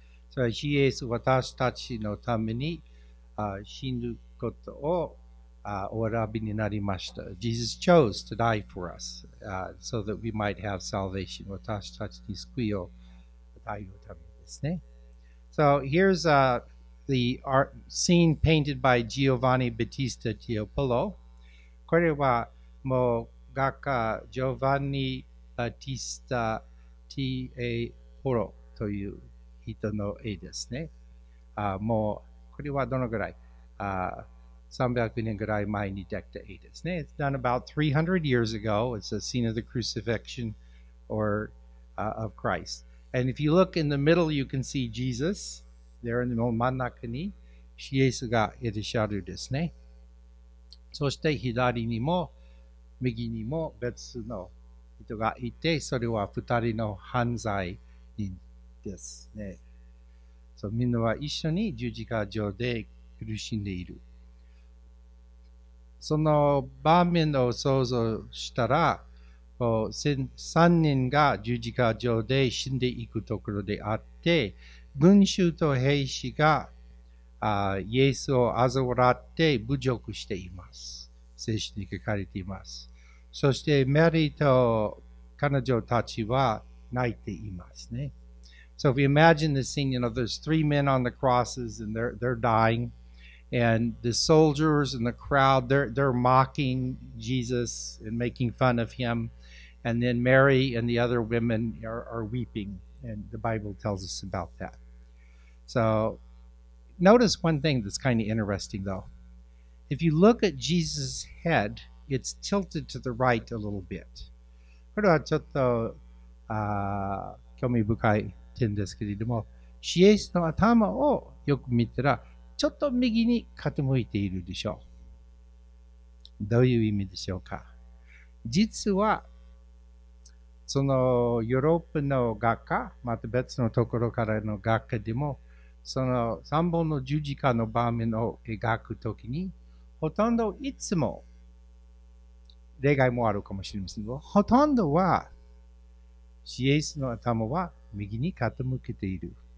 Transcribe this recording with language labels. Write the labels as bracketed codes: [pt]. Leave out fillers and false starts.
[ja] So, イエスは私たちのために死ぬことをお選びになりました。 [en] Jesus chose to die for us so that we might have salvation. [ja] 私たちに救いを与えるためですね。 [en] So, here's the art scene painted by Giovanni Battista Tiepolo. [ja] これはもう画家ジョヴァンニ・バティスタ・ティエ・ポロという人の絵ですね。もうこれはどのぐらい300年ぐらい前にできた絵ですね。 [en] It's done about 300 years ago. It's a scene of the crucifixion or, of Christ. And if you look in the middle, you can see Jesus. There in the middle, [ja] 真ん中に、イエスがいらっしゃるですね。そして左にも右にも別の人がいて、それは二人の犯罪人ですね。そう、みんなは一緒に十字架上で苦しんでいる。その場面を想像したら、三人が十字架上で死んでいくところであって、群衆と兵士がイエスを嘲笑って侮辱しています。聖書に書かれています。そしてメリーと彼女たちは泣いていますね。 [en] So if you imagine the scene, you know, there's three men on the crosses and they're dying. And the soldiers and the crowd, they're mocking Jesus and making fun of him. And then Mary and the other women are weeping. And the Bible tells us about that. So notice one thing that's kind of interesting though. If you look at Jesus' head, it's tilted to the right a little bit. [ja] これはちょっと興味深い点ですけれども、イエスの頭をよく見たら、ちょっと右に傾いているでしょう。どういう意味でしょうか。実は、そのヨーロッパの画家、また別のところからの画家でも、その三本の十字架の場面を描くときに、ほとんどいつも、例外もあるかもしれませんが、ほとんどは、イエスの頭は右に傾けている。